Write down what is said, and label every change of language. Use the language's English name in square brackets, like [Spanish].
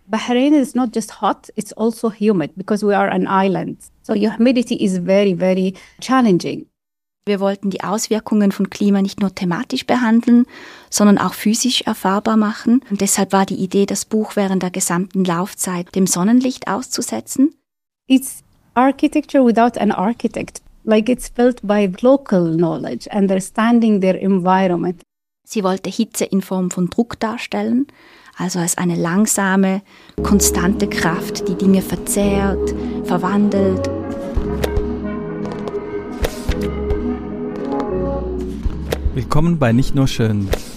[English] Bahrain is not just hot, it's also humid because we are an island. So your humidity is very, very challenging. [German] Wir wollten die Auswirkungen von Klima nicht nur thematisch behandeln, sondern auch physisch erfahrbar machen. Und deshalb war die Idee, das Buch während der gesamten Laufzeit dem Sonnenlicht auszusetzen. [English] It's architecture without an architect. Like it's built by local knowledge, understanding their environment. [German] Sie wollte Hitze in Form von Druck darstellen, also als eine langsame, konstante Kraft, die Dinge verzehrt, verwandelt. Willkommen bei Nicht nur schön,